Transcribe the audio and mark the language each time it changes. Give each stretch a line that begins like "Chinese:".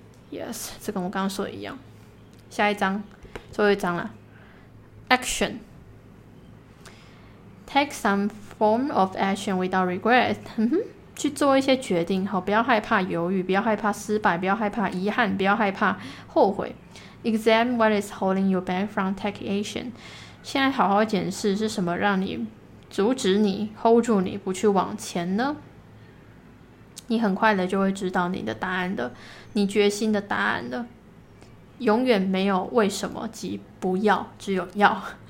English: Yes，
Chinese: 这跟我刚刚说的一样。下一章，最后一章了。Action。
English: Take some form of action without regret.
Chinese: 去做一些决定，好，不要害怕犹豫，不要害怕失败，不要害怕遗憾，不要害怕后悔。
English: Examine what is holding you back from taking action.
Chinese: 现在好好检视是什么让你阻止你 hold 住你不去往前呢？你很快的就会知道你的答案的，你决心的答案的。永远没有为什么及不要，只有要。